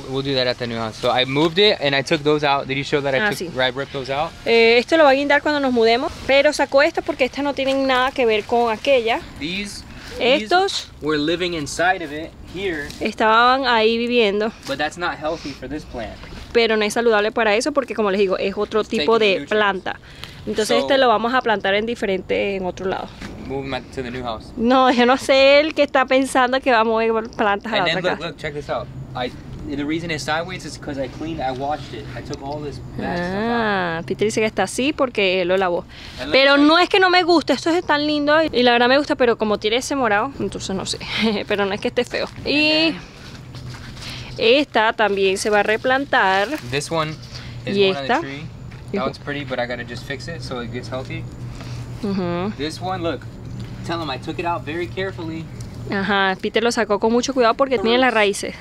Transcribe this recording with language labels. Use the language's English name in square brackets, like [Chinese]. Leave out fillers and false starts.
[English] Yeah, we'll do that at the new house. So I moved it and I took those out. Did you show that I ripped those out? [Spanish] Esto lo va a guindar cuando nos mudemos, pero sacó esto porque estas no tienen nada que ver con aquella. [English] Estos were living inside of it here. [Spanish] Estaban ahí viviendo. [English] But that's not healthy for this plant. [Spanish] Pero no es saludable para eso porque, como les digo, es otro tipo de planta. Entonces este lo vamos a plantar en diferente, en otro lado. [English] Move him to the new house. [Spanish] No, yo no sé el que está pensando que va a mover plantas a la otra casa. [English] And then, look, check this out. The reason it's sideways is because I cleaned, I washed it. I took all this bad stuff out. [Spanish] Peter dice que está así porque él lo lavó. Pero no es que no me guste, esto es tan lindo. Y la verdad me gusta, pero como tiene ese morado, entonces no sé. Pero no es que esté feo. Y esta también se va a replantar. [English] This one is one of the tree. That one's pretty, but I gotta just fix it so it gets healthy. This one, look. Tell him I took it out very carefully. [Spanish] Ajá, Peter lo sacó con mucho cuidado porque tiene las raíces.